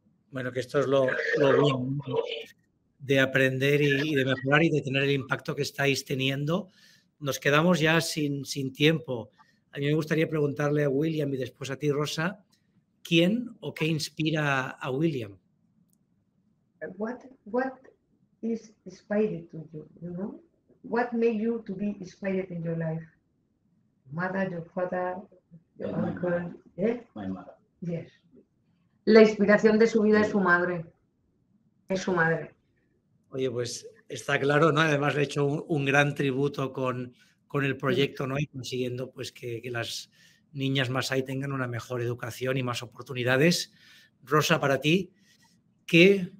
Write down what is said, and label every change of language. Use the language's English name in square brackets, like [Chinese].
[Spanish] Bueno, que esto es lo bueno de aprender y de mejorar y de tener el impacto que estáis teniendo. Nos quedamos ya sin tiempo. A mí me gustaría preguntarle a William y después a ti, Rosa, ¿quién o qué inspira a William? [English] What is inspired to you, you know? What made you to be inspired in your life? Mother, your father, your uncle, my mother. Yes. [Spanish] La inspiración de su vida es su madre. Es su madre. Oye, pues está claro, ¿no? Además le he hecho un gran tributo con el proyecto, ¿no? Y consiguiendo pues que las niñas Masái tengan una mejor educación y más oportunidades. Rosa, para ti, ¿qué?